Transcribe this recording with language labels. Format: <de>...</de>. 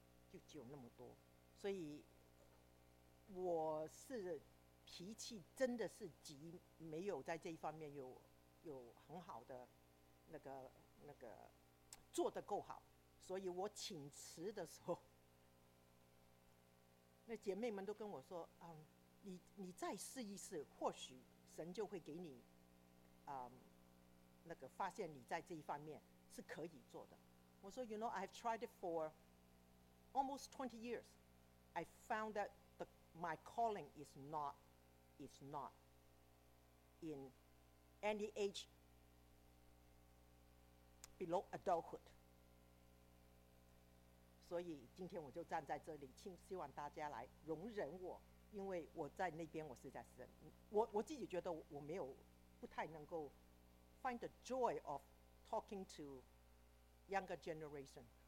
<zh>就只有那么多，所以我是脾气真的是急，没有在这一方面有很好的那个做得够好，所以我请辞的时候，那姐妹们都跟我说，你再试一试，或许神就会给你发现你在这一方面是可以做的。我说</zh> <en>you know I've tried it for almost 20 years I found thatMy calling is not in any age below adulthood.</en> <zh>所以今天我就站在这里，希望大家来容忍我，因为我在那边我实在是，我自己觉得我没有不太能够</zh> <en>find the joy of talking to younger generation.</en>